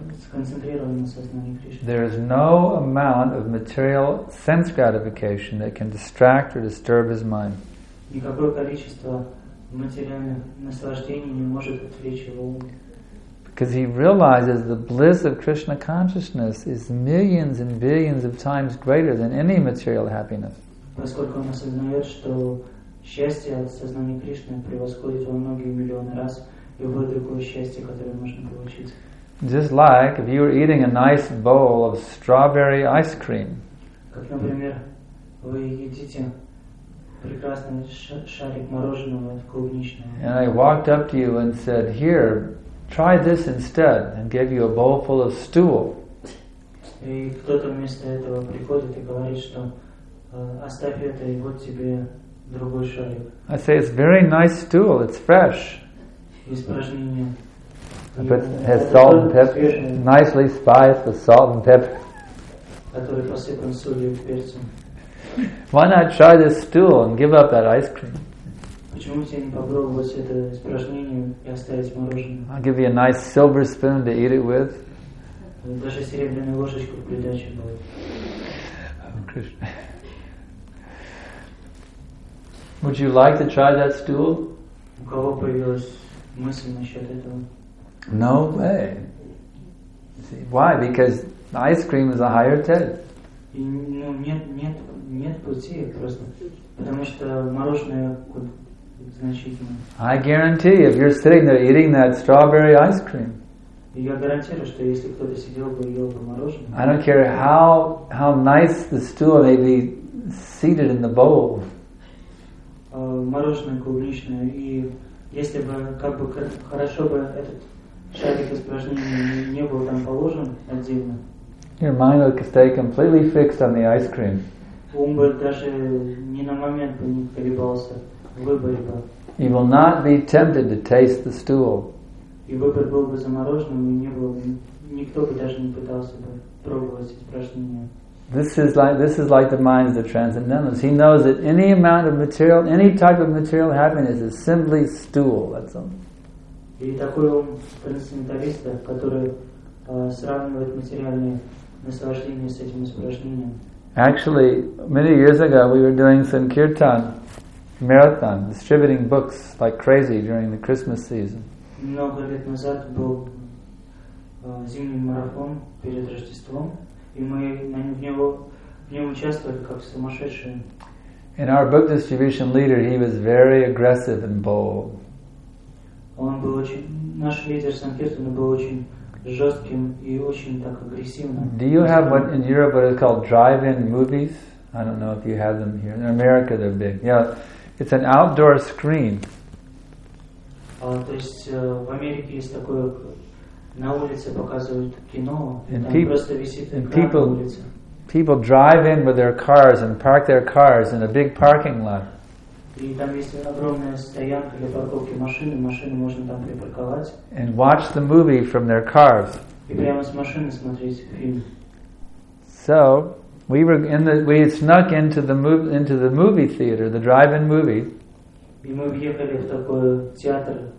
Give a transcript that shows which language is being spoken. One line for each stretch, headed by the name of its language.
English: There is no amount of material sense gratification that can distract or disturb his mind.
Russian: Никакое количество материальных наслаждений не может отвлечь его ум.
English: Because he realizes the bliss of Krishna consciousness is millions and billions of times greater than any material happiness.
Russian: Поскольку он осознает, что счастье от сознания Кришны превосходит во многие миллионы раз любое другое счастье, которое можно получить.
English: Just like if you were eating a nice bowl of strawberry ice cream.
Russian: Как, например, вы едите прекрасный шарик мороженого клубничного.
English: And I walked up to you and said, "Here, try this instead," and gave you a bowl full of stool.
Russian: И кто-то вместо этого приходит и говорит, что оставь это и вот тебе другой шарик.
English: I say it's very nice stool. It's fresh.
Russian: Испражнение.
English: But it has salt and pepper.
Russian: Свежий.
English: Nicely spiced with salt and pepper.
Russian: Который посыпан солью и перцем.
English: Why not try this stool and give up that ice cream? I'll give you a nice silver spoon to eat it with. Oh, Krishna. Would you like to try that stool? No way. See, why? Because ice cream is a higher ted.
Russian: Нет пути просто, потому что мороженое значительно.
English: I guarantee if you're sitting there eating that strawberry ice cream.
Russian: Я гарантирую, что если кто-то сидел бы и ел бы мороженое.
English: I don't care how nice the stool may be seated in the bowl.
Russian: Мороженое клубничное, и если бы как бы хорошо бы этот шарик испражнений не был там положен отдельно.
English: Your mind would stay completely fixed on the ice cream.
Russian: Ум бы даже ни на момент не колебался в выборе бы.
English: You will not be tempted to taste the stool.
Russian: И выбор был бы за мороженым, и никто бы даже не пытался бы пробовать испражнение.
English: This is like the mind of the transcendentalist. He knows that any amount of material, any type of material happiness is simply stool. That's all.
Russian: И такой ум трансценденталиста, который сравнивает материальные наслаждения с этим испражнением.
English: Actually, many years ago, we were doing some kirtan marathon, distributing books like crazy during the Christmas season.
Russian: Много лет назад был зимний марафон перед Рождеством, и мы в нем участвовали как сумасшедшие.
English: And our book distribution leader, he was very aggressive and bold.
Russian: Он был очень наш лидер санкиртана был очень жестким и очень так агрессивным.
English: Do you have what in Europe what is called drive-in movies? I don't know if you have them here. In America they're big. Yeah. It's an outdoor screen.
Russian: То есть в Америке есть такое, на улице показывают кино,
English: and
Russian: там просто висит экран на улице.
English: People drive in with their cars and park their cars in a big parking lot.
Russian: И там есть огромная стоянка для парковки машин, и машины можно там припарковать.
English: And watch the movie from their cars.
Russian: И прямо с машины смотреть фильм.
English: So, we snuck into the movie theater, the drive-in movie.
Russian: И мы въехали в такой театр.